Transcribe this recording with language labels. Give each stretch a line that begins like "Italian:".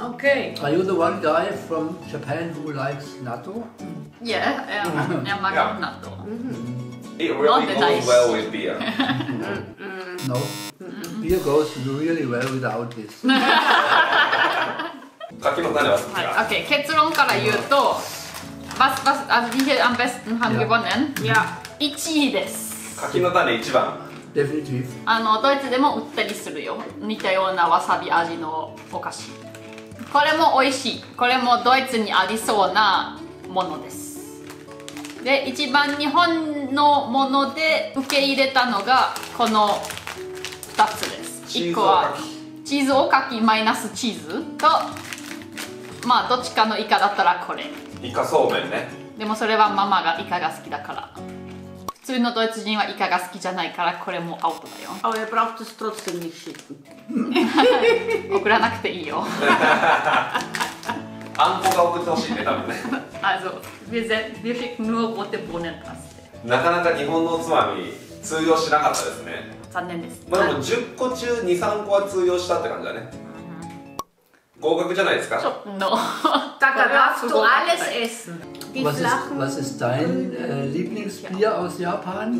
English: Okay. Are you the one guy from Japan who likes natto? Yeah, I like natto. It really goes well with beer. Mm-hmm. No. Mm-hmm. Beer goes really well without this.
German: Okay,
Japanese: 結論から言うと、
German: was, also wir am besten haben gewonnen? Ja.
Japanese: 1位です。柿の種1番。
German: Definitiv.
Japanese: ドイツでも売ったりするよ。似たようなわさび味のお菓子。これも美味しい。これもドイツにありそうなものです。で、一番日本のもので受け入れたのがこの2つです。チーズおかき。チーズおかきマイナスチーズと、まあどっちかのイカだったらこれ。イカそうめんね。でもそれはママがイカが好きだから。普通のドイツ人はイカが好きじゃないからこれもアウトだよ。あ、ウェブラフトストロッツにし。送らなくていいよ。あんこが送ってほしいね、多分ね。
German: Also, wir schicken nur rote Bohnen aus.
Japanese: なかなか日本のおつまみ通用しなかったですね。残念です。まあでも10個中2、3個は通用したって感じだね。合格じゃないですか。ちょっと、だから
German: darfst du alles essen. Was ist dein Lieblingsbier aus Japan?